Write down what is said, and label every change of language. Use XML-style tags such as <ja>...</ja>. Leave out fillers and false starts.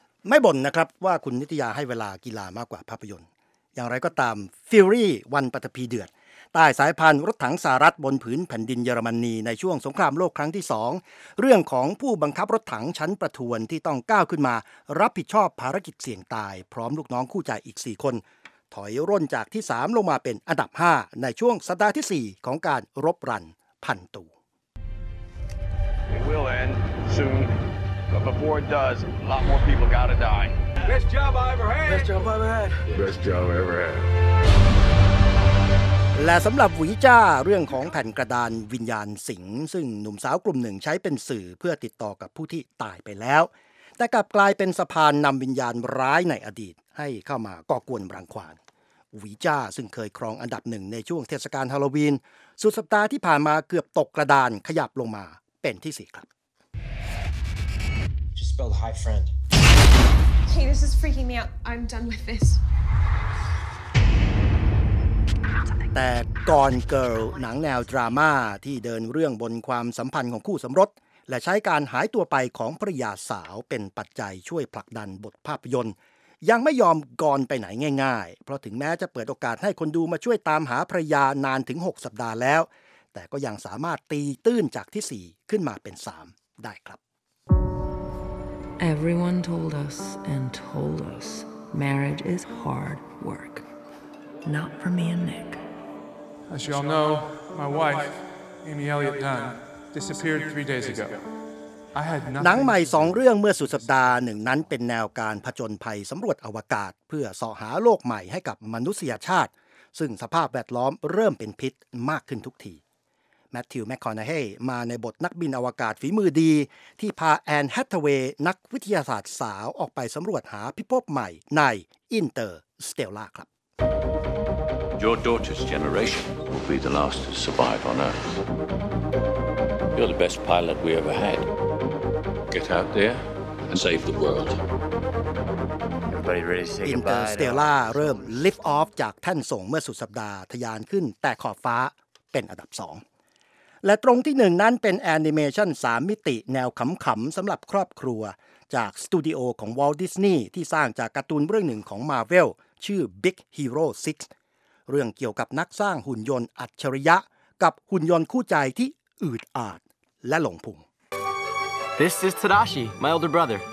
<th>ไม่บ่นนะครับว่าคุณนิตยาให้เวลากีฬามากกว่าภาพยนตร์อย่างไรก็ตามฟิวรี่วันปฐพีเดือดใต้สายพันรถถังสหรัฐบนผืนแผ่นดินเยอรมนีในช่วงสงครามโลกครั้งที่2เรื่องของผู้บังคับรถถังชั้นประทวนที่ต้องก้าวขึ้นมารับผิดชอบภารกิจเสี่ยงตายพร้อมลูกน้องคู่ใจอีก4คนถอยร่นจากที่3ลงมาเป็นอันดับ5ในช่วงสัปดาห์ที่4ของการรบรันพันตู</th> <en>It will end soon but before it does a lot more people got to die Best job I ever had Best job I ever had Best job ever had</en> <th>และสำหรับหวีจ้าเรื่องของแผ่นกระดานวิญญาณสิงซึ่งหนุ่มสาวกลุ่มหนึ่งใช้เป็นสื่อเพื่อติดต่อกับผู้ที่ตายไปแล้วแต่กลับกลายเป็นสะพานนำวิญญาณร้ายในอดีตให้เข้ามาก่อกวนรังควานหวีจ้าซึ่งเคยครองอันดับหนึ่งในช่วงเทศกาลฮาโลวีนสุดสัปดาห์ที่ผ่านมาเกือบตกกระดานขยับลงมาเป็นที่4ครับ</th> <en>Just spelled hi friend Hey this is freaking me out I'm done with this</en> <th>แต่ Gone Girl หนังแนวดราม่าที่เดินเรื่องบนความสัมพันธ์ของคู่สมรสและใช้การหายตัวไปของภรรยาสาวเป็นปัจจัยช่วยผลักดันบทภาพยนตร์ยังไม่ยอมกอนไปไหนง่ายๆเพราะถึงแม้จะเปิดโอกาสให้คนดูมาช่วยตามหาภรรยานานถึง6สัปดาห์แล้วแต่ก็ยังสามารถตีตื้นจากที่4ขึ้นมาเป็น3ได้ครับ</th> <en>Everyone told us and told us marriage is hard work not for me and Nick. As you all know, my wife, Amy Elliott Dunn, disappeared 3 days ago. I had nothing.</en> <th>หนังใหม่2เรื่องเมื่อสุดสัปดาห์หนึ่งนั้นเป็นแนวการผจญภัยสำรวจอวกาศเพื่อเสาะหาโลกใหม่ให้กับมนุษยชาติซึ่งสภาพแวดล้อมเริ่มเป็นพิษมากขึ้นทุกทีแมทธิวแมคคอนาเฮย์มาในบทนักบินอวกาศฝีมือดีที่พาแอนแฮทเทเวย์นักวิทยาศาสตร์สาวออกไปสำรวจหาพิภพใหม่ในอินเตอร์สเตลลาร์ครับ</th> <en>Your daughter's generation will be the last to survive on Earth. You're the best pilot we ever had. Get out there and save the world. Everybody ready to say goodbye?</en> <th>Interstellar เริ่ม</th> <en>lift off</en> <th>จากท่านส่งเมื่อสุดสัปดาห์ทะยานขึ้นแต่ขอบฟ้าเป็นอันดับ2และตรงที่1นั้นเป็นแอนิเมชั่น3มิติแนวขำๆสำหรับครอบครัวจากสตูดิโอของ Walt Disney ที่สร้างจากการ์ตูนเรื่องหนึ่งของ Marvel ชื่อ Big Hero 6เรื่องเกี่ยวกับนักสร้างหุ่นยนต์อัจฉริยะกับหุ่นยนต์คู่ใจที่อืดอาดและหลงพุง</th> <en>This is Tadashi, my older brother.</en>